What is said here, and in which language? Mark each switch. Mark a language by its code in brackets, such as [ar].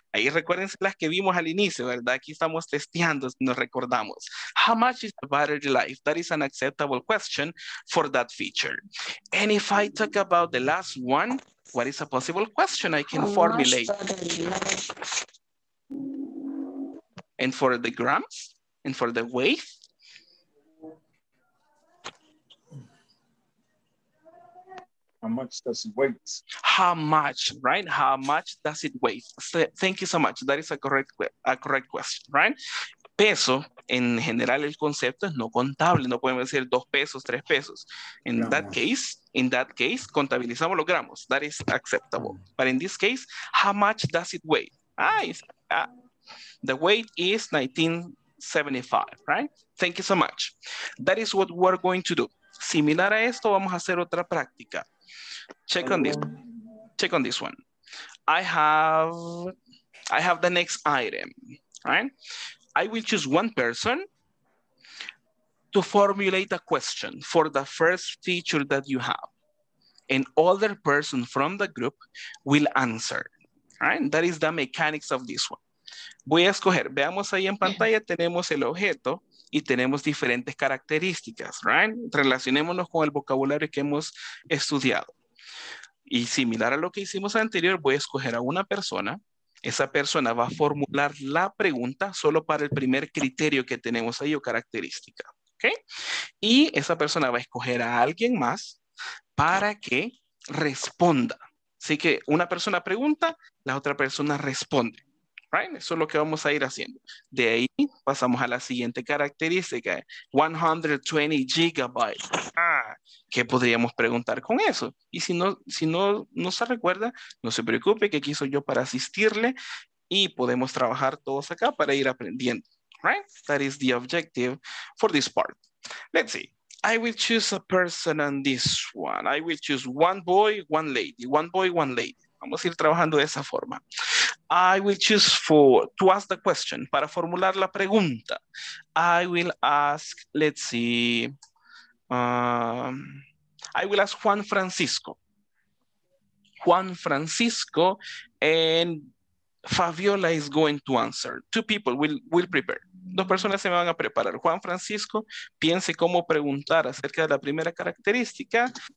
[es] Ahí recuérdense las que vimos al inicio, ¿verdad? Aquí estamos testeando, nos recordamos. [en] How much is the battery life? That is an acceptable question for that feature. And if I talk about the last one, what is a possible question I can formulate? And for the grams? And for the weight? How much does it weigh? Thank you so much. That is a correct question, right? [es] Peso, en general, el concepto es no contable. No podemos decir dos pesos, tres pesos. [en] In that case, [es] contabilizamos los gramos. [en] That is acceptable. But in this case, how much does it weigh? The weight is 1975, right? Thank you so much. That is what we're going to do. [es] Similar a esto, vamos a hacer otra práctica. [en] Check on this one. I have the next item, right? I will choose one person to formulate a question for the first feature that you have. And other person from the group will answer, right? That is the mechanics of this one. [es] Voy a escoger, veamos ahí en pantalla, tenemos el objeto y tenemos diferentes características, right? Relacionémonos con el vocabulario que hemos estudiado. Y similar a lo que hicimos anterior, voy a escoger a una persona. Esa persona va a formular la pregunta solo para el primer criterio que tenemos ahí o característica. ¿Okay? Y esa persona va a escoger a alguien más para que responda. Así que una persona pregunta, la otra persona responde. Right? Eso es lo que vamos a ir haciendo. De ahí pasamos a la siguiente característica. 120 gigabytes. ¿Qué podríamos preguntar con eso? Y si no se recuerda, no se preocupe, que aquí soy yo para asistirle y podemos trabajar todos acá para ir aprendiendo. [en] Right? That is the objective for this part. Let's see. I will choose a person on this one. I will choose one boy, one lady. One boy, one lady. [es] Vamos a ir trabajando de esa forma. [en] I will choose to ask the question, [es] para formular la pregunta. [en] I will ask, let's see, I will ask Juan Francisco. Juan Francisco and Fabiola is going to answer. Two people will prepare. [es] Dos personas se me van a preparar. Juan Francisco, piense cómo preguntar acerca de la primera característica.